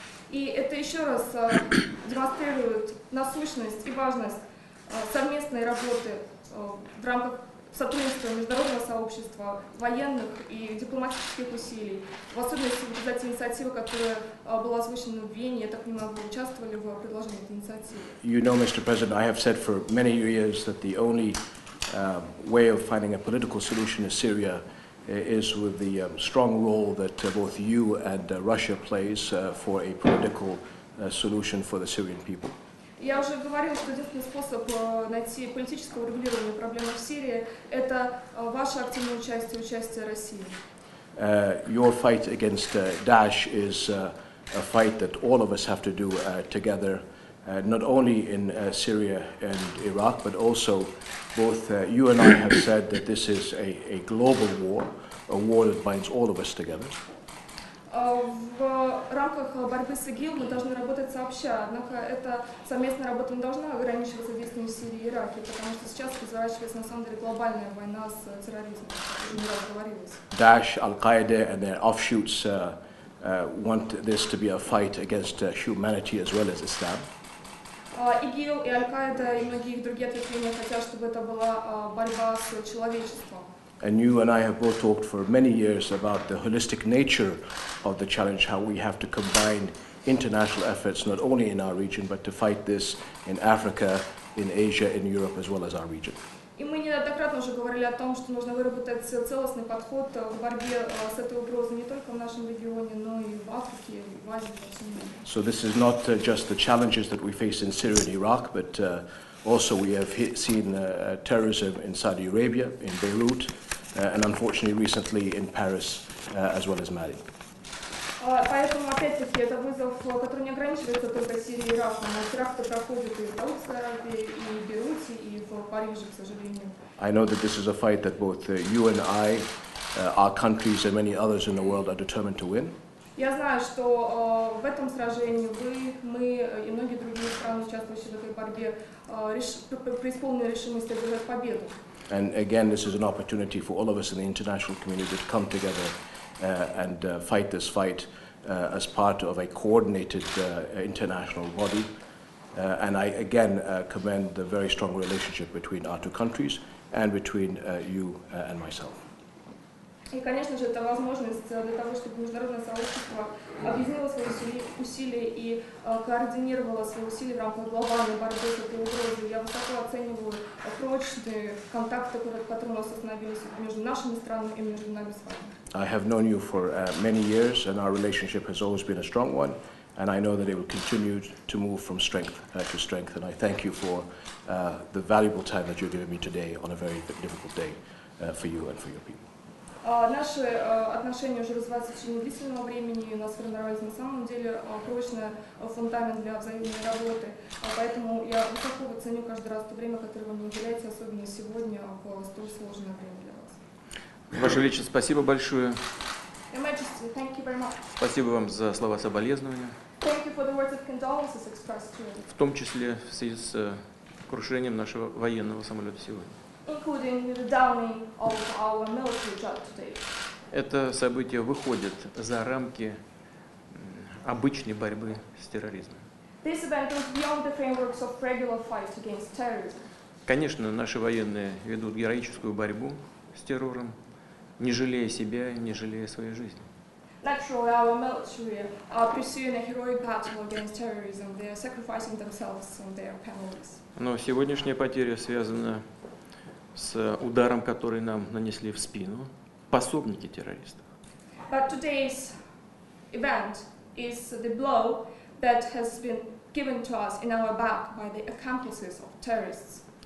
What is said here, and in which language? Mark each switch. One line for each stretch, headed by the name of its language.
Russian: И это еще раз демонстрирует насущность и важность совместной работы в рамках сотрудничества международного сообщества, военных и дипломатических усилий. В особенности вот эти инициативы, которые была озвучена в Вене, я так понимаю, вы участвовали в предложении этой инициативы.
English: You know, Mr. President, I have said for many years that the only way of finding a political solution in Syria is with the strong role that both you and Russia plays for a political solution for the Syrian people.
Russian: Я уже говорил, что единственный способ найти политическое урегулирование проблемы в Сирии – это ваше активное участие, участие России.
English: Your fight against Daesh is a fight that all of us have to do together, not only in Syria and Iraq, but also both you and I have said that this is a global war, a war that binds all of us together.
Russian: В рамках борьбы с ИГИЛ мы должны работать сообща, однако эта совместная работа не должна ограничиваться действиями в Сирии и Ираке, потому что сейчас разворачивается на самом деле глобальная война с терроризмом, о чем не раз говорилось.
English: Daesh, Al-Qaeda and their offshoots want this to be a fight against humanity as well as Islam.
Russian: ИГИЛ и Аль-Каида и многие другие ответвления хотят, чтобы это была борьба с человечеством.
English: And you and I have both talked for many years about the holistic nature of the challenge, how we have to combine international efforts, not only in our region, but to fight this in Africa, in Asia, in Europe, as well as our region.
Russian: И мы неоднократно уже говорили о том, что нужно выработать целостный подход в борьбе с этой угрозой не только в нашем регионе, но и в Африке, в Азии, в Азии.
English: So this is not just the challenges that we face in Syria and Iraq, but also we have seen terrorism in Saudi Arabia, in Beirut, and unfortunately recently in Paris, as well as Mali.
Russian: Поэтому, опять-таки, это вызов, который не ограничивается только Сирией и Ираком, а теракты проходят и в Саудовской Аравии, и в Бейруте, и в Париже, к сожалению.
English: I know that this is a fight that both you and I, our countries and many others in the world are determined to win.
Russian: Я знаю, что в этом сражении вы, мы и многие другие страны, участвующие в этой борьбе, преисполнены решимости одержать победу.
English: And again, this is an opportunity for all of us in the international community to come together and fight this fight as part of a coordinated international body. And I again commend the very strong relationship between our two countries and between you and myself.
Russian: И, конечно же, это возможность для того, чтобы международное сообщество объединило свои усилия и координировало свои усилия в рамках глобальной борьбы с этой угрозой. Я высоко оцениваю прочные контакты, которые у нас установились между нашими странами и между нами с вами.
English: I have known you for many years, and our relationship has always been a strong one, and I know that it will continue to move from strength to strength, and I thank you for the valuable time that you've given me today on a very difficult day for you and for your people.
Russian: Наши отношения уже развиваются в течение длительного времени, и у нас формировались на самом деле прочный фундамент для взаимной работы. Поэтому я высоко ценю каждый раз то время, которое вам уделяется, особенно сегодня, в столь сложное время для вас. Ваше Величество, спасибо большое.
English: Your Majesty, thank you very much.
Russian: Спасибо вам за слова соболезнования.
English: Thank you for the words of condolences expressed to you.
Russian: В том числе в связи с крушением нашего военного самолета сегодня.
English: Including the downing of our military jet today.
Russian: Это событие выходит за рамки обычной борьбы с терроризмом.
English: This event goes beyond the frameworks of regular fight against terrorism.
Russian: Конечно, наши военные ведут героическую борьбу с террором, не жалея себя, не жалея своей жизни.
English: Naturally, our military are pursuing a heroic battle against terrorism. They are sacrificing themselves and their families.
Russian: Но сегодняшняя потеря связана с ударом, который нам нанесли в спину пособники террористов.
English: But today's event is the blow that has been given to us in our back by the accomplices of terrorists.